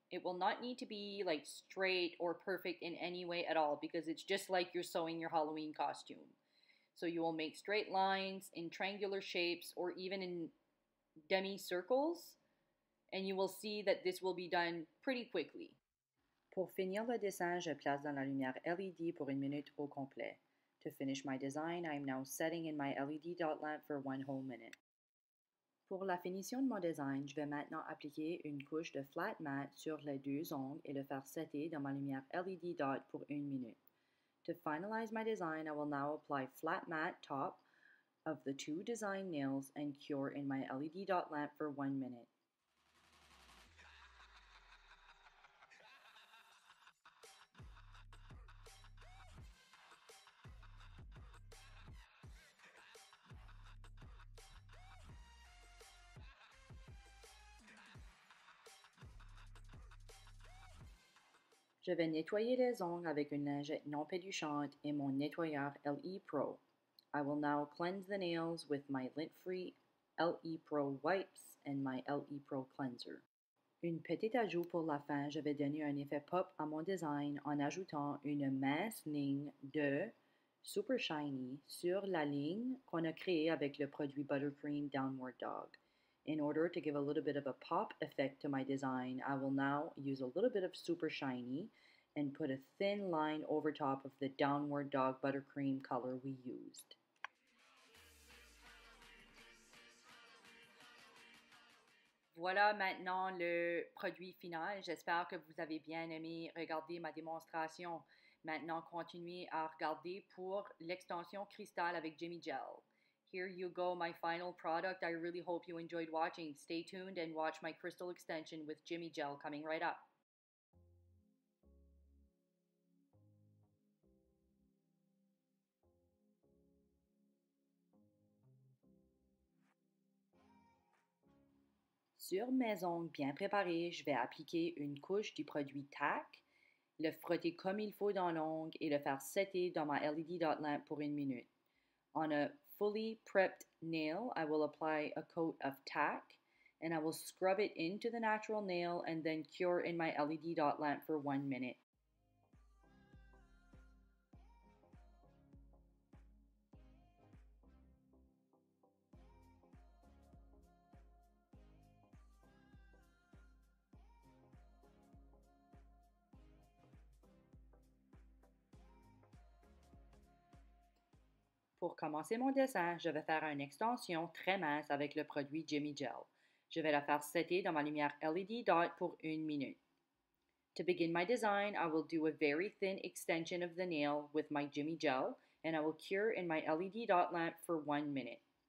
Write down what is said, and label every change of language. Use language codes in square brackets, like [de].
[en] It will not need to be like straight or perfect in any way at all because it's just like you're sewing your Halloween costume. So you will make straight lines in triangular shapes or even in demi-circles, and you will see that this will be done pretty quickly. [fr] Pour finir le dessin, je place dans la lumière LED pour une minute au complet. [en] To finish my design, I am now setting in my LED dot lamp for one whole minute. [fr] Pour la finition de mon design, je vais maintenant appliquer une couche de flat mat sur les deux ongles et le faire setter dans ma lumière LED dot pour une minute. [en] To finalize my design, I will now apply flat mat top of the two design nails and cure in my LED dot lamp for 1 minute. [fr] Je vais nettoyer les ongles avec une lingette non pelluchante et mon nettoyeur LE Pro. [en] I will now cleanse the nails with my lint-free LE Pro wipes and my LE Pro cleanser. [fr] Une petite ajout pour la fin, je vais donner un effet pop à mon design en ajoutant une mince ligne de Super Shiny sur la ligne qu'on a créée avec le produit Buttercream Downward Dog. [en] In order to give a little bit of a pop effect to my design, I will now use a little bit of Super Shiny and put a thin line over top of the Downward Dog buttercream color we used. [fr] Voilà maintenant le produit final. J'espère que vous avez bien aimé regarder ma démonstration. Maintenant, continuez à regarder pour l'extension cristal avec Jimmy Gel. [en] Here you go, my final product. I really hope you enjoyed watching. Stay tuned and watch my crystal extension with Jimmy Gel coming right up. [fr] Sur mes ongles bien préparés, je vais appliquer une couche du produit TAC, le frotter comme il faut dans l'ongle et le faire setter dans ma LED dot lamp pour une minute. [en] On a fully prepped nail, I will apply a coat of tack and I will scrub it into the natural nail and then cure in my LED dot lamp for 1 minute. [fr] Pour commencer mon dessin, je vais faire une extension très mince avec le produit Jimmy Gel. Je vais la faire setter dans ma lumière LED dot pour une minute. [en] To begin my design, I will do a very thin extension of the nail with my Jimmy Gel and I will cure in my LED dot lamp for 1 minute.